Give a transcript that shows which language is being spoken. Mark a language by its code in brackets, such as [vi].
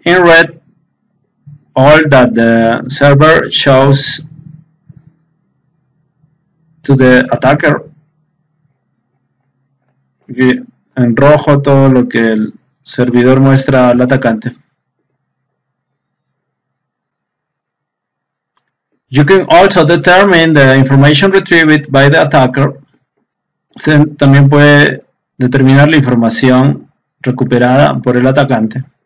[en] In red, all that the server shows to the attacker. Okay. [es] En rojo, todo lo que el servidor muestra al atacante. [en] You can also determine the information retrieved by the attacker. [es] Usted también puede determinar la información recuperada por el atacante.